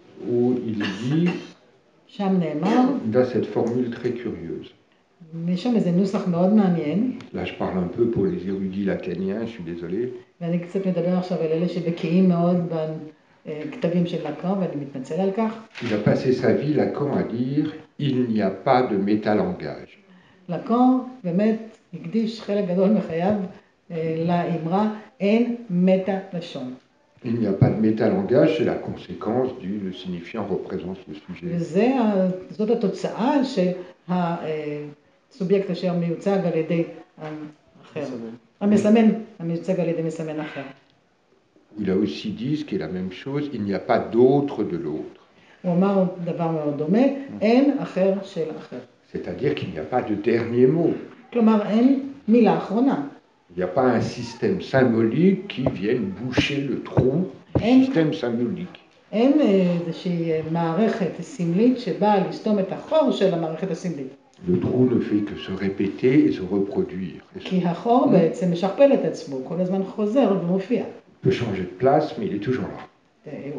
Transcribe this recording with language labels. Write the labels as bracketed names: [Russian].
[French] où il dit, dans cette formule très curieuse, là, je parle un peu pour les érudits lacaniens, je suis désolé. Il a passé sa vie, Lacan, à dire « il n'y a pas de métalangage ». [Hebrew] Lacan, באמת, הקדיש חלק גדול מחייו לאמרה « אין מטה-לשון ». [French] Il n'y a pas de métalangage, c'est la conséquence du « le signifiant représente le sujet ». [Hebrew] זאת התוצאה של ה... סובייקט אשר מיוצג על ידי אחר. המסמן, המיוצג על ידי מסמן אחר. [French] Il a aussi dit ce qui est la même chose, il n'y a pas d'autre de l'autre. [Hebrew] הוא אמר דבר מאוד דומה, אין אחר של אחר. [French] C'est-à-dire qu'il n'y a pas de dernier mot. [Hebrew] כלומר, אין מילה אחרונה. [French] Il n'y a pas un système symbolique qui vienne boucher le trou du système symbolique. [Hebrew] אין איזושהי מערכת סמלית שבאה לסתום את החור של המערכת הסמלית. [French] Le trou ne fait que se répéter et se reproduire. Il peut changer de place, mais il est toujours là.